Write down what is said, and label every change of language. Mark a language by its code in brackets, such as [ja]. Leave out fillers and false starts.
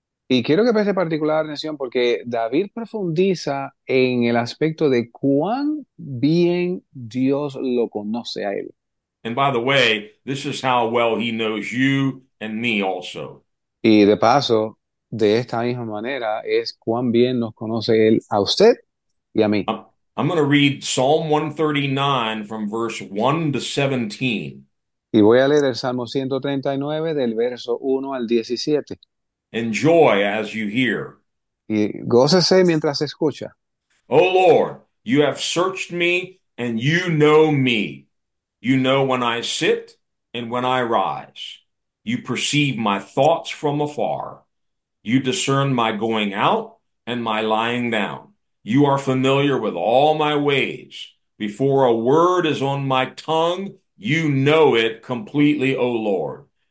[es] Y quiero que preste particular atención porque David profundiza en el aspecto de cuán bien Dios lo conoce a él. [en] And by the way, this is how well he knows you and me also. [es] Y de paso, de esta misma manera, es cuán bien nos conoce él a usted y a mí. [en] I'm going to read Psalm 139 from verse 1 to 17. [es] Y voy a leer el Salmo 139 del verso 1 al 17. [en] Enjoy as you hear. [es] Y gócese mientras escucha. [en] Oh Lord, you have searched me and you know me. You know when I sit and when I rise. You perceive my thoughts from afar. You discern my going out and my lying down. You are familiar with all my ways. Before a word is on my tongue, you know it completely, O Lord.